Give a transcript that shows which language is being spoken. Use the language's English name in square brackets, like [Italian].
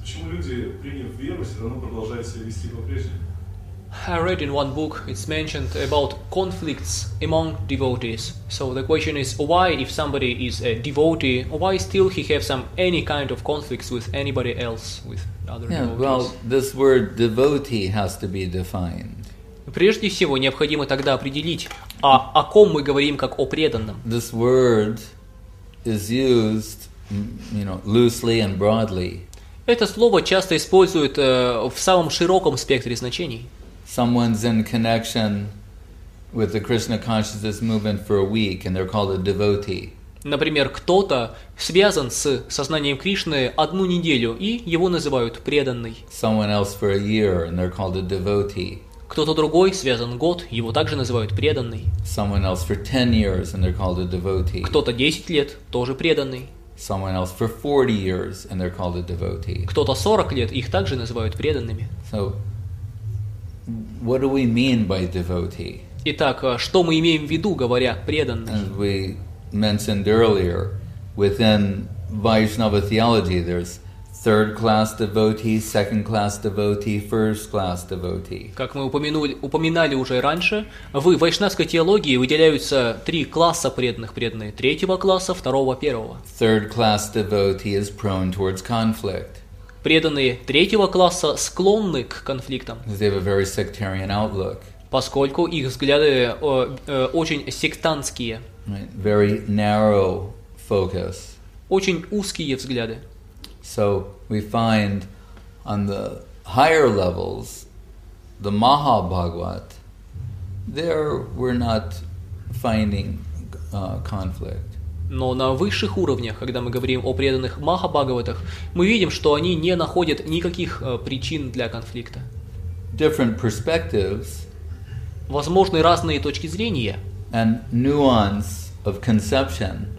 [Russian] Почему люди, приняв веру, все равно продолжают себя вести по-прежнему? [English] I read in one book, it's mentioned about conflicts among devotees. So the question is, why if somebody is a devotee, why still he have some any kind of conflicts with anybody else, with other devotees? Well, this word devotee has to be defined. [Russian] Прежде всего, необходимо тогда определить, о ком мы говорим, как о преданном. [English] This word is used, you know, loosely and broadly. [Russian] Это слово часто используют в самом широком спектре значений. [English] Someone's in connection with the Krishna consciousness movement for a week, and they're called a devotee. [Russian] Например, кто-то связан с сознанием Кришны одну неделю, и его называют преданный. [English] Someone else for a year, and they're called a devotee. [Russian] Кто-то другой связан год, его также называют преданный. [English] Someone else for 10 years, and they're called a devotee. [Russian] Кто-то 10 лет, тоже преданный. [English] Someone else for 40 years, and they're called a devotee. [Russian] Кто-то 40 лет, их также называют преданными. [English] So, what do we mean by devotee? [Russian] Итак, что мы имеем в виду, говоря преданный? [English] As we mentioned earlier, within Vaishnava theology, there's third class devotee, second class devotee, first class devotee. [Russian] Как мы упоминали уже раньше, в вайшнавской теологии выделяются три класса преданных: преданные третьего класса, второго, первого. [English] Third class devotee is prone towards conflict. [Russian] Преданные третьего класса склонны к конфликтам, [English] they have a very sectarian outlook. [Russian] Поскольку их взгляды очень сектантские. [English] Right. Very narrow focus. [Russian] Очень узкие взгляды. [English] So we find on the higher levels, the Mahabhagavat, there we're not finding conflict. [Russian] Но на высших уровнях, когда мы говорим о преданных Махабхагаватах, мы видим, что они не находят никаких причин для конфликта. [English] Different perspectives, [Russian] возможны разные точки зрения [English] and nuance of conception,